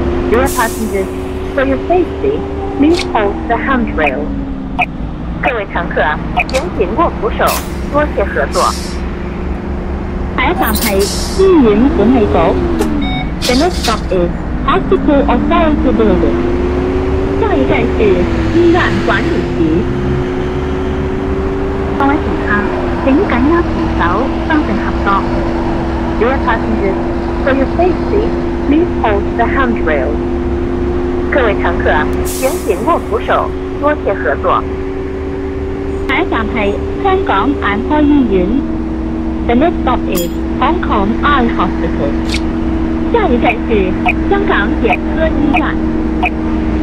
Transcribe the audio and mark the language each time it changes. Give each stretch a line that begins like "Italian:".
English: Dear passengers, for your safety, please hold the handrail.
Chinese: 各位乘客，请紧握扶手，多谢合作。下一站是医院管理局。
English: The next stop is Hospital Authority Building.
Chinese: 下一站是医院管理局。各位乘客，请紧握扶手，双手合作。
English: Dear passengers, for your safety, please hold the handrail.
Chinese: 各位乘客，请紧握扶手，多谢合作。下一站是香港眼科医院。
English: The next stop is Hong Kong Eye Hospital.
Chinese: 下一站是香港眼科医院。